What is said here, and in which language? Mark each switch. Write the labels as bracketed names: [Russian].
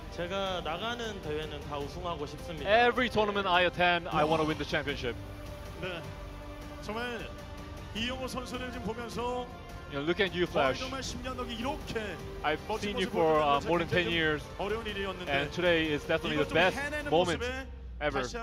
[Korean] 제가 나가는 대회는 다 우승하고 싶습니다. [English] Every tournament I attend, I want to win the championship. [Korean] 네, 정말 이영호 선수를 지금 보면서 [English] You know, look at you, Flash. I've seen you for more than 10 years, and today is definitely the best moment ever.